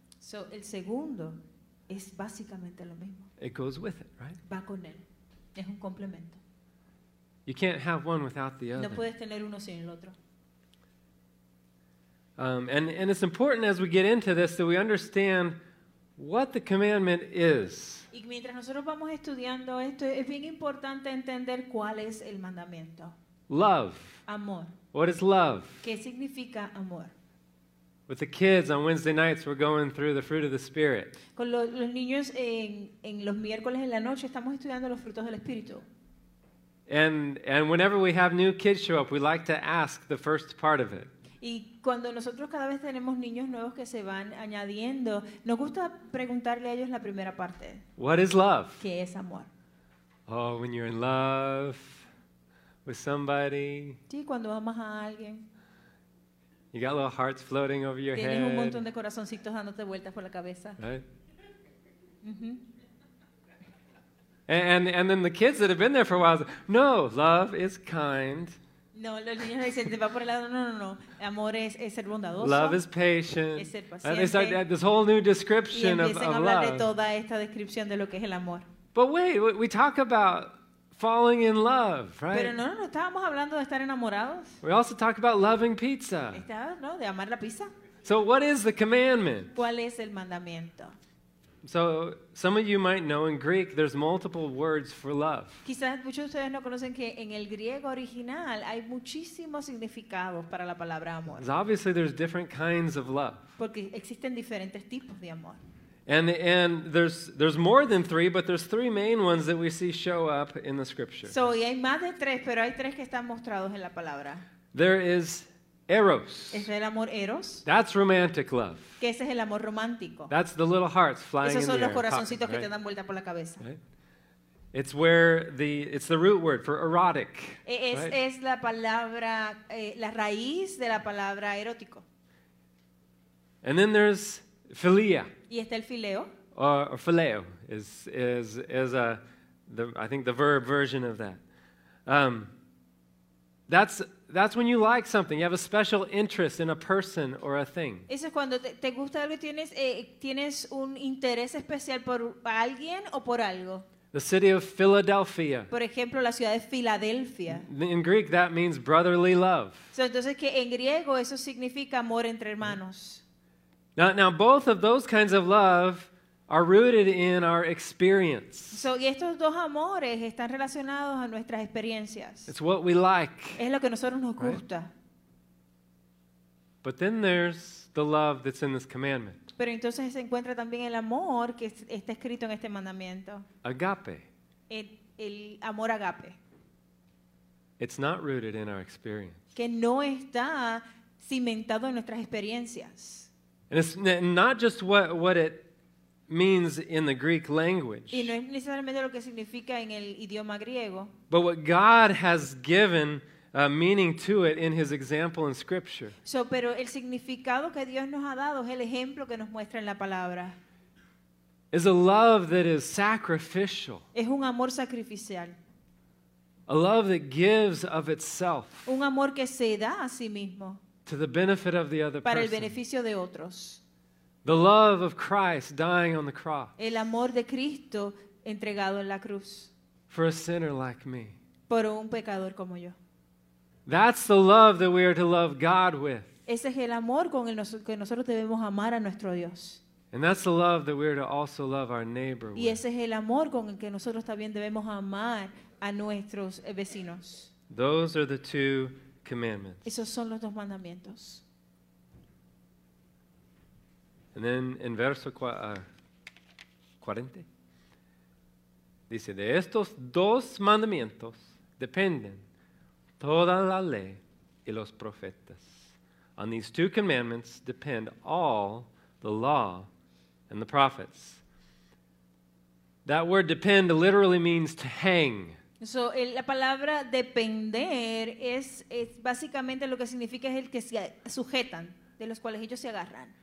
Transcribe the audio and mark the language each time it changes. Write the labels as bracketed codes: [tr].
[es] So el segundo es básicamente lo mismo. [en] It goes with it, right? [es] Va con él. Es un complemento. [en] You can't have one without the other. [es] No puedes tener uno sin el otro. [en] And it's important as we get into this that we understand what the commandment is. [es] Y mientras nosotros vamos estudiando esto, es bien importante entender cuál es el mandamiento. [en] Love. [es] Amor. [en] What is love? [es] ¿Qué significa amor? [en] With the kids on Wednesday nights, we're going through the fruit of the Spirit. [es] Con los niños en los miércoles en la noche estamos estudiando los frutos del Espíritu. [en] And whenever we have new kids show up, we like to ask the first part of it. [es] Y cuando nosotros cada vez tenemos niños nuevos que se van añadiendo, nos gusta preguntarle a ellos la primera parte. [en] What is love? [es] ¿Qué es amor? [en] Oh, when you're in love with somebody. [es] Sí, cuando amas a alguien. [en] You got little hearts floating over your [es] tienes [en] head. [es] Tienes un montón de corazoncitos dándote vueltas por la cabeza. [en] And then the kids that have been there for a while, no, love is kind. [es] No, los niños dicen, te va por el lado, no. Amor es ser bondadoso. [en] Love is patient. [es] Es ser paciente. [en] It's like this whole new description of love. [es] Y empiezan a hablar de toda esta descripción de lo que es el amor. [en] But wait, we talk about falling in love, right? [es] Pero no estábamos hablando de estar enamorados. [en] We also talk about loving pizza. [es] ¿No? De amar la pizza. [en] So what is the commandment? [es] ¿Cuál es el mandamiento? [en] So some of you might know in Greek there's multiple words for love. [es] Quizás muchos de ustedes no conocen que en el griego original hay muchísimos significados para la palabra amor. [en] Because obviously there's different kinds of love. [es] Porque existen diferentes tipos de amor. [en] And there's more than three, but there's three main ones that we see show up in the scripture. [es] So y hay más de tres, pero hay tres que están mostrados en la palabra. [en] There is Eros. [es] ¿Es el amor Eros? [en] That's romantic love. [es] ¿Qué ese es el amor romántico? [en] That's the little hearts flying in the air. [es] Esos son los corazoncitos popping, que right? Te dan vuelta por la cabeza. [en] Right? It's the root word for erotic. [es] Es la palabra la raíz de la palabra erótico. [en] And then there's philia. [es] ¿Y está el fileo? [en] Or phileo is the verb version of that. That's when you like something. You have a special interest in a person or a thing. [es] Eso es cuando te gusta algo y tienes un interés especial por alguien o por algo. [en] The city of Philadelphia. [es] Por ejemplo, la ciudad de Filadelfia. [en] In Greek, that means brotherly love. [es] So, entonces que en griego eso significa amor entre hermanos. [en] Now both of those kinds of love are rooted in our experience. [es] So, y estos dos amores están relacionados a nuestras experiencias. [en] It's what we like. [es] Es lo que nosotros nos gusta. [en] But then there's the love that's in this commandment. [es] Pero entonces se encuentra también el amor que está escrito en este mandamiento. [en] Agape. [es] El amor agape. [en] It's not rooted in our experience. [es] Que no está cimentado en nuestras experiencias. [en] And it's not just what it means in the Greek language. [es] Y no es necesariamente lo que significa en el idioma griego. [en] But what God has given meaning to it in His example in Scripture. [es] So, pero el significado que Dios nos ha dado es el ejemplo que nos muestra en la palabra. [en] Is a love that is sacrificial. [es] Es un amor sacrificial. [en] A love that gives of itself. [es] Un amor que se da a sí mismo. [en] To the benefit of the other [es] para [en] person. [es] El beneficio de otros. [en] The love of Christ dying on the cross. [es] El amor de Cristo entregado en la cruz. [en] For a sinner like me. [es] Por un pecador como yo. [en] That's the love that we are to love God with. [es] Ese es el amor con el que nosotros debemos amar a nuestro Dios. [en] And that's the love that we are to also love our neighbor with. [es] Y ese es el amor con el que nosotros también debemos amar a nuestros vecinos. [en] Those are the two commandments. [es] Esos son los dos mandamientos. [en] And then in [es] verso 40, dice, de estos dos mandamientos dependen toda la ley y los profetas. [en] On these two commandments depend all the law and the prophets. That word depend literally means to hang. [es] So, la palabra depender es básicamente lo que significa es el que se sujetan, de los cuales ellos se agarran.